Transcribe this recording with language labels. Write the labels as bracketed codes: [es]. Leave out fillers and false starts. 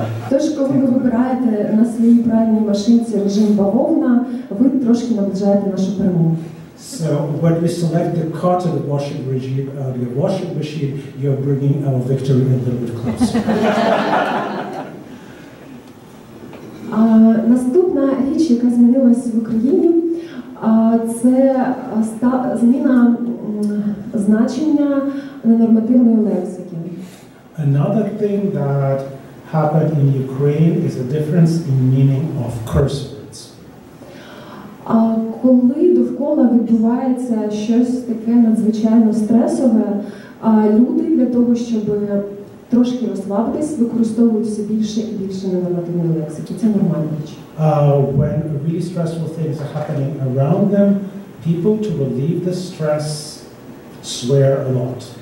[uk] Тож, коли ви вибираєте на своїй пральній машинці режим бавовна, ви трошки наближаєте нашу перемогу. [en] So when you select the carted washing regime of your washing machine, you're bringing our victory a little bit closer. [uk] Наступна річ, яка змінилась в Україні, це зміна значення ненормативної лексики. [en] Another thing that happened in Ukraine is a difference in meaning of curse words. [uk] Коли довкола відбувається щось таке надзвичайно стресове, люди для того, щоб трошки розслабитись, використовують все більше і більше ненормативної лексики. Це нормальна річ. [en] When really stressful things are happening around them, people to relieve the stress swear a lot.